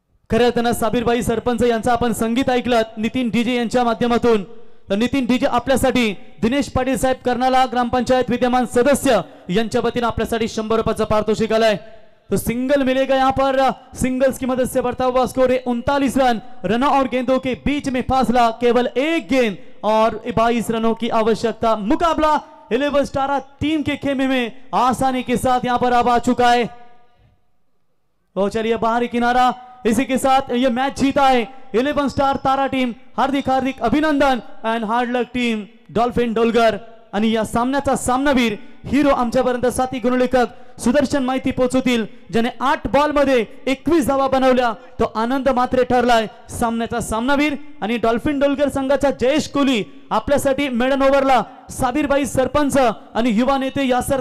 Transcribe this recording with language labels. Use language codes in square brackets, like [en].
[mr] खरंतर साबिर भाई सरपंच यांचा आपण संगीत ऐकलं नितीन डीजे यांच्या माध्यमातून, तर नितीन डीजे आपल्यासाठी दिनेश पाटील साहेब कर्नाला ग्रामपंचायत विद्यमान सदस्य यांच्या वतीने आपल्यासाठी 100 रुपयाचं पारितोषिक आलंय। [hi] तो सिंगल मिलेगा यहां पर, सिंगल्स की मदद से बढ़ता हुआ स्कोर है 39 रन। रनों और गेंदों के बीच में फासला केवल एक गेंद और 22 रनों की आवश्यकता। मुकाबला 11 स्टार टीम के खेमे में आसानी के साथ यहां पर अब आ चुका है। तो चलिए बाहरी किनारा, इसी के साथ ये मैच जीता है 11 स्टार तारा टीम। [mr] हार्दिक हार्दिक अभिनंदन [en] and hard luck [mr] टीम डॉल्फिन डोलगर। आणि या सामन्याचा सामनावीर हिरो आमच्यापर्यंत साथी गुणलेखक सुदर्शन माहिती पोहोचवतील, ज्याने 8 बॉल मध्ये 21 धावा बनवल्या तो आनंद मात्रे ठरलाय सामन्याचा सामनावीर। आणि डॉल्फिन डोलगर संघाचा जयेश कोहली आपल्यासाठी मेडन ओव्हरला, साबीर भाई सरपंच आणि युवा नेते यासर